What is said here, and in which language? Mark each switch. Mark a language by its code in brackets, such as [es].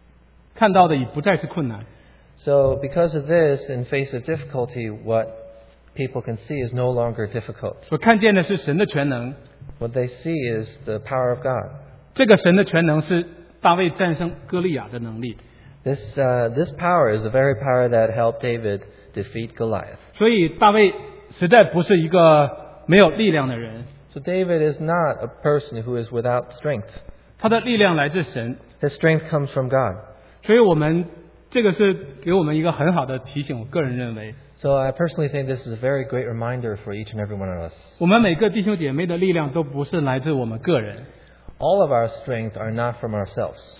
[zh] 这样人在困难面前看到的已不再是困难。 [en] So because of this, in face of difficulty, what people can see is no longer difficult. [zh] 我看见的是神的全能。 [en] What they see is the power of God. [zh] 这个神的全能是大卫战胜哥利亚的能力。 [en] This power is the very power that helped David defeat Goliath. [zh] 所以大卫实在不是一个没有力量的人。 [en] So David is not a person who is without strength. [zh] 他的力量来自神。 [en] His strength comes from God. [zh] 所以我们这个是给我们一个很好的提醒，我个人认为。 [en] So I personally think this is a very great reminder for each and every one of us. [zh] 我们每个弟兄姐妹的力量都不是来自我们个人。 [en] All of our strength are not from ourselves.